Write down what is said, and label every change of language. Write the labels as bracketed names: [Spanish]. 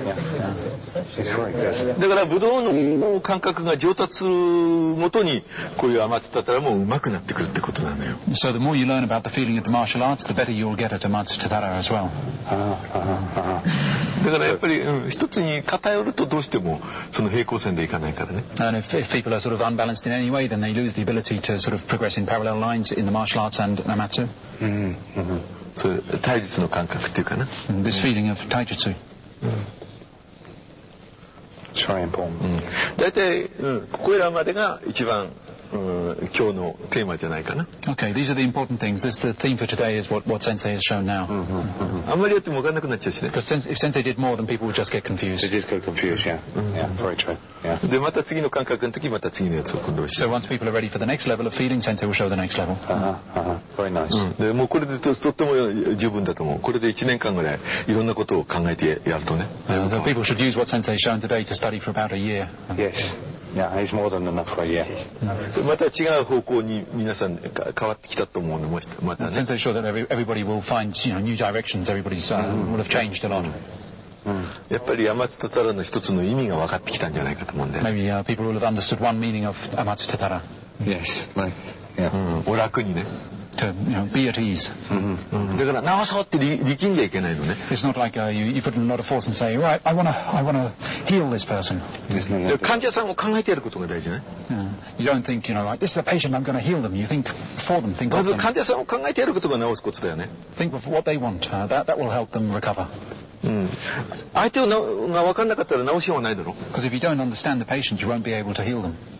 [Japanese] だから武道の感覚が上達するごとにこういう甘つたたらもう上手くなってくるってことなのよ。 [English] So the more you learn about the feeling of the martial arts, the better you'll get at amatsutatara as well. [Japanese] だからやっぱり、一つに偏るとどうしてもその平行線でいかないからね。 [English] And if people are sort of unbalanced in any way, then they lose the ability to sort of progress in parallel lines in the martial arts and amatsu. [Japanese] それ体術の感覚っていうかな。 [English] This feeling of 体術。 Very important. [Japanese] だいたい、ここらまでが一番今日のテーマじゃないかな。 [English] Okay, these are the important things. This is the theme for today is what Sensei has shown now. [Japanese] あんまりやっても分かんなくなっちゃうしね。 [English] Because if Sensei did more, then people would just get confused. They just get confused, yeah. Yeah, very true. [Japanese] で、また次の感覚の時、また次のやつを今度教えて。 [English] So once people are ready for the next level of feeling, Sensei will show the next level. Very nice. [Japanese] で、もうこれでとっても十分だと思う。これで1年間ぐらいいろんなことを考えてやるとね。 [English] So people should use what Sensei has shown today to study for about a year. Yes. Yeah, he's more than enough for a year. [Japanese] また違う方向に皆さん変わってきたと思うのもまたね。 [English] Sensei sure that everybody will find, you know, new directions. Everybody's will have changed a lot. [Japanese] やっぱり Amatsu Tatara の一つの意味が分かってきたんじゃないかと思うんで。 [English] Maybe people will have understood one meaning of Amatsu Tatara. Yes, like, [Japanese] yeah. お楽にね。 [English] To, you know, be at ease. [Japanese] だから直そうって力んじゃいけないのね。 [English] It's not like you put in a lot of force and say, right, I wanna heal this person. [Japanese] で、患者さんを考えてやることが大事ね。 [English] You don't think, you know, like, this is a patient, I'm gonna heal them. You think for them, think of them. [Japanese] まず患者さんを考えてやることが直すことだよね。 [English] Think of what they want. That will help them recover. [Japanese] 相手が分かんなかったら直しようがないだろ。 [English] Because if you don't understand the patient, you won't be able to heal them.